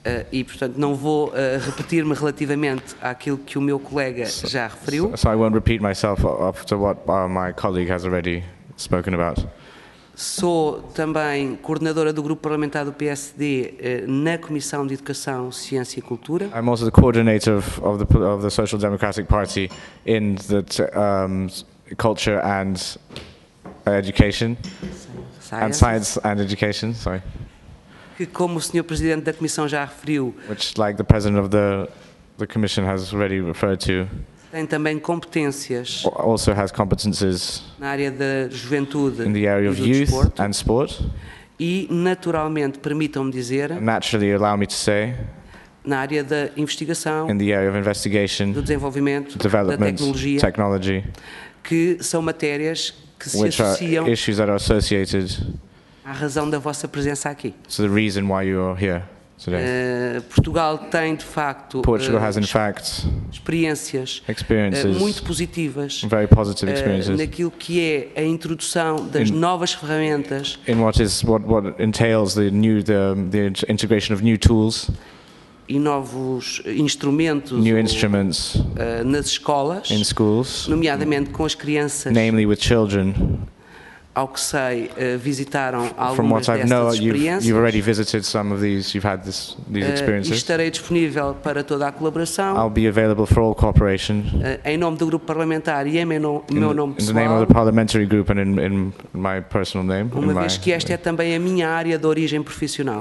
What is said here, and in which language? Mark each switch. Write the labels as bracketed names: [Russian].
[Portuguese] E portanto não vou repetir-me relativamente àquilo que o meu colega já referiu. [English] So I won't repeat myself after what my colleague has already spoken about. [Portuguese] Sou também coordenadora do grupo parlamentar do PSD na Comissão de Educação, Ciência e Cultura. [English] I'm also the coordinator of the Social Democratic Party in the culture and education. Science. And science and education, sorry. [Portuguese] Que como o Sr. Presidente da Comissão já referiu, [English] which like the president of the commission has already referred to, [Portuguese] tem também competências, [English] also has competences, [Portuguese] na área da juventude, [English] in the area of youth [Portuguese] desporto, [English] and sport, [Portuguese] e naturalmente, permitam-me dizer, [English] and naturally allow me to say, [Portuguese] na área da investigação, [English] in the area of investigation, [Portuguese] do desenvolvimento, [English] development, [Portuguese] da tecnologia, [English] technology, [Portuguese] que são matérias que se [English] which [Portuguese] associam, [English] are issues that are associated, [Portuguese] à razão da vossa presença aqui. [English] So the reason why you are here today. [Portuguese] Portugal tem, de facto, [English] Portugal has in fact [Portuguese] experiências muito positivas, [English] very positive experiences, [Portuguese] naquilo que é a introdução das novas ferramentas. [English] In what is what entails the integration of new tools. [Portuguese] E novos instrumentos, [English] new instruments, [Portuguese] nas escolas, [English] in schools, [Portuguese] nomeadamente com as crianças, [English] namely with children. [Portuguese] Ao que sei, visitaram algumas dessas experiências. [English] You've already visited some of these, you've had these experiences. [Portuguese] E estarei disponível para toda a colaboração. [English] I'll be available for all cooperation. [Portuguese] Em nome do grupo parlamentar e em meu nome pessoal. [English] In the name of the parliamentary group and in my personal name. [Portuguese] Uma vez que esta é também a minha área de origem profissional.